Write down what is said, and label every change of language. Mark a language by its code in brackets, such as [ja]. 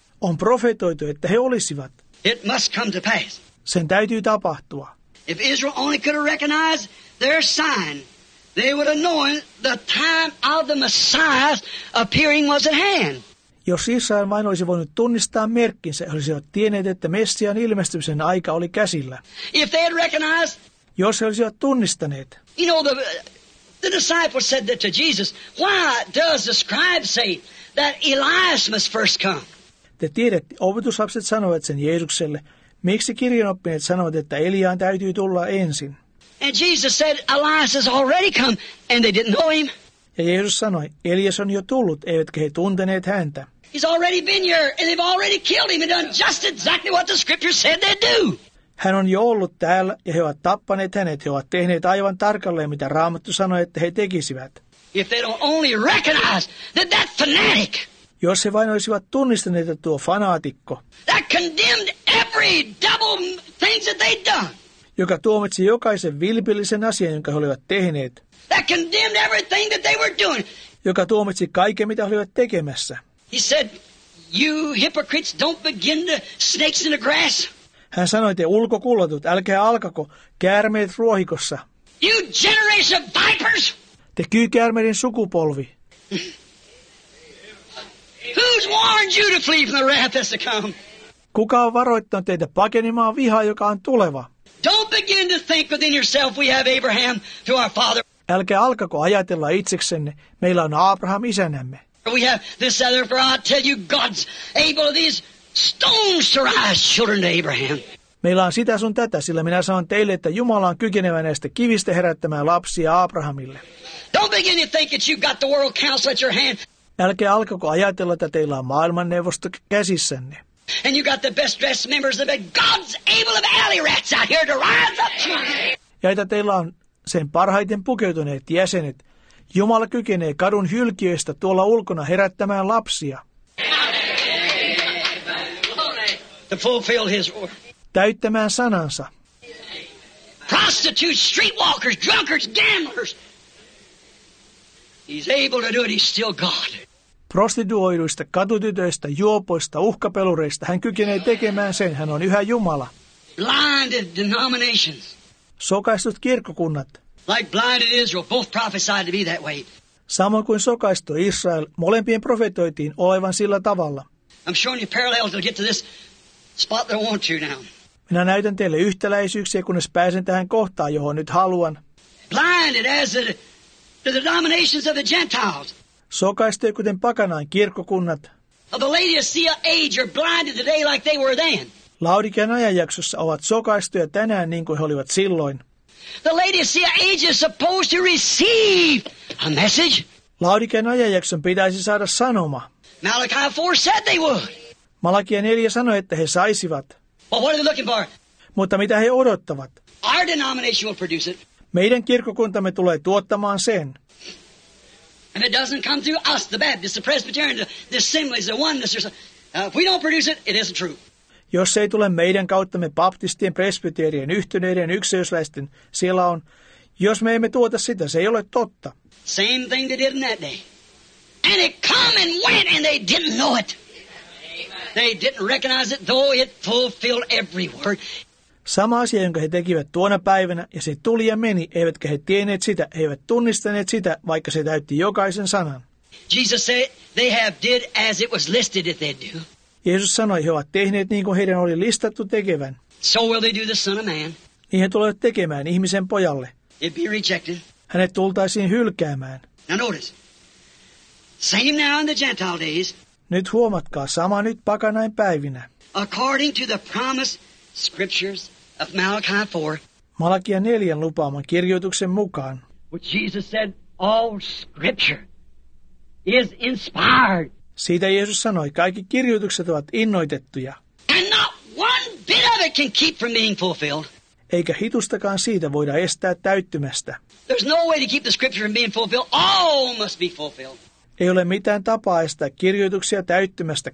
[fi] On profetoitu, että he olisivat. [en] It must come to pass. [fi] Sen täytyy tapahtua. [en] If Israel only could have recognized their sign, they would have known the time of the Messiah's appearing was at hand. [fi] Jos Israel vain olisi voinut tunnistaa merkkinsä, he olisivat tienneet, että Messian ilmestymisen aika oli käsillä. [en] If they had recognized, [fi] jos he olisivat tunnistaneet. [en] You know, the disciples said that to Jesus, why does the scribe say that Elias must first come? [fi] Te tiedätte, opetuslapset sanoivat sen Jeesukselle, miksi kirjanoppineet sanovat, että Eliaan täytyy tulla ensin? [en] And Jesus said, Elias has already come, and they didn't know him. [fi] Ja Jeesus sanoi, Elias on jo tullut, eivätkä he tunteneet häntä. [en] He's already been here, and they've already killed him and done just exactly what the scripture said they'd do. [fi] Hän on jo ollut täällä, ja he ovat tappaneet hänet, he ovat tehneet aivan tarkalleen, mitä Raamattu sanoi, että he tekisivät. [en] If they don't only recognize that that fanatic. [fi] Jos he vain olisivat tunnistaneet, että tuo fanaatikko. [en] That condemned every double things that they'd done. [fi] Joka tuomitsi jokaisen vilpillisen asian, jonka he olivat tehneet. [en] That condemned everything that they were doing. [fi] Joka tuomitsi kaiken, mitä he olivat tekemässä. [en] He said, you hypocrites, don't begin the snakes in the grass. [fi] Hän sanoi, te ulkokuulotut, älkää alkako, käärmeet ruohikossa. [en] You generation of vipers! [fi] Te kyykäärmeiden sukupolvi. [en] Who's warned you to flee from the wrath that's to come? [fi] Kuka on varoittanut teitä pakenemaan vihaa, joka on tuleva? [en] Don't begin to think within yourself we have Abraham to our father. [fi] Älkää alkako ajatella itseksenne, meillä on Abraham isänämme. [en] We have this other, for I tell you, God's able of these stones to rise children to Abraham. [fi] Meillä on sitä sun tätä, sillä minä sanon teille, että Jumala on kykenevä näistä kivistä herättämään lapsia Abrahamille. [en] Don't begin to think that you've got the world council at your hand. [fi] Älkää alkako ajatella, että teillä on maailmanneuvosto käsissänne. [en] And you got the best dressed members of it. God's able of alley rats out here to rise up to. [fi] Ja että teillä on sen parhaiten pukeutuneet jäsenet. Jumala kykenee kadun hylkiöistä tuolla ulkona herättämään lapsia. [en] To fulfill his word. [fi] Täyttämään sanansa. [en] Prostitutes, streetwalkers, drunkards, gamblers. He's able to do it. He's still God. [fi] Prostituoiduista, katutytöistä, juopoista, uhkapelureista. Hän kykenee tekemään sen. Hän on yhä Jumala. [en] Blinded denominations. [fi] Sokaistut kirkkokunnat. [en] Like blinded Israel, both prophesied to be that way. [fi] Samoin kuin sokaistu Israel, molempien profetoitiin olevan sillä tavalla. [en] I'm showing you parallels to get to this spot that I want you now. [fi] Minä näytän teille yhtäläisyyksiä, kunnes pääsen tähän kohtaan, johon nyt haluan. [en] Blinded as to the denominations of the Gentiles. [fi] Sokaistuja kuten pakanain kirkkokunnat. [en] The Laodicea age are blinded today like they were then. [fi] Laodikean ajanjaksossa ovat sokaistuja tänään niin kuin he olivat silloin. [en] The Laodicea age is supposed to receive a message. [fi] Laodikean ajanjakson pitäisi saada sanoma. [en] Malachi 4 said they would. [fi] Malakia 4 sanoi, että he saisivat. [en] Well, what are they looking for? [fi] Mutta mitä he odottavat? [en] Our denomination will produce it. [fi] Meidän kirkkokuntamme tulee tuottamaan sen. [en] And it doesn't come through us, the Baptists, the Presbyterians, the assemblies, the oneness. If we don't produce it, it isn't true. [fi] Jos se ei tule meidän kauttamme baptistien, presbyterien, yhtyneiden, yksityisläisten, siellä on. Jos me emme tuota sitä, se ei ole totta. [en] Same thing they did in that day. And it come and went and they didn't know it. They didn't recognize it, though it fulfilled every word. [fi] Sama asia, jonka he tekivät tuona päivänä, ja se tuli ja meni, eivätkä he tienneet sitä, he eivät tunnistaneet sitä, vaikka se täytti jokaisen sanan. [en] Jesus said, they have did as it was listed that they do. [fi] Jeesus sanoi, he ovat tehneet niin kuin heidän oli listattu tekevän. [en] So will they do the Son of Man. [fi] Niin he tulevat tekemään ihmisen pojalle. [en] It be rejected. [fi] Hänet tultaisiin hylkäämään. [en] Now notice, same now in the Gentile days. [fi] Nyt huomatkaa, sama nyt pakanain päivinä. [en] According to the promise scriptures of Malachi 4. [fi] Malakia 4 lupaaman kirjoituksen mukaan. [en] Which Jesus said, all scripture is inspired. [fi] Siitä Jeesus sanoi, kaikki kirjoitukset ovat innoitettuja. [en] And not one bit of it can keep from being fulfilled. [fi] Eikä hitustakaan siitä voida estää täyttymästä. [en] There's no way to keep the scripture from being fulfilled. All must be fulfilled. [fi] Ei ole mitään tapaa estää kirjoituksia täyttymästä.